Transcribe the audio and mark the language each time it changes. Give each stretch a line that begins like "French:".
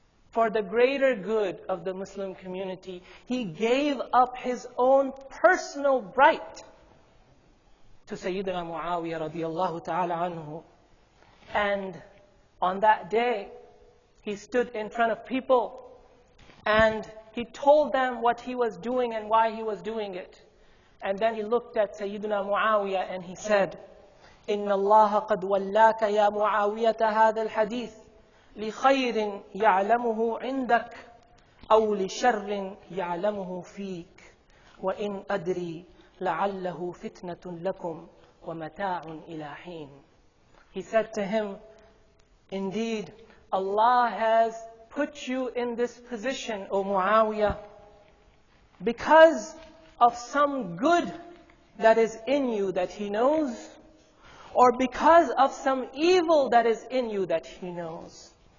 English: For the greater good of the Muslim community, he gave up his own personal right to Sayyidina Muawiyah radiallahu ta'ala anhu. And on that day, he stood in front of people and he told them what he was doing and why he was doing it. And then he looked at Sayyidina Muawiyah and he said,
Arabic: إِنَّ اللَّهَ قَدْ وَلَّاكَ يَا مُعَاوِيَةَ هَذَا الْحَدِيثِ لِخَيْرٍ يَعْلَمُهُ عِنْدَكَ أَوْ لِشَرٍ يَعْلَمُهُ فِيكَ وَإِنْ أَدْرِي لَعَلَّهُ فِتْنَةٌ لَكُمْ وَمَتَاعٌ إِلَى حِينَ.
English: He said to him, indeed, Allah has put you in this position, O Muawiyah, because of some good that is in you that he knows, or because of some evil that is in you that he knows.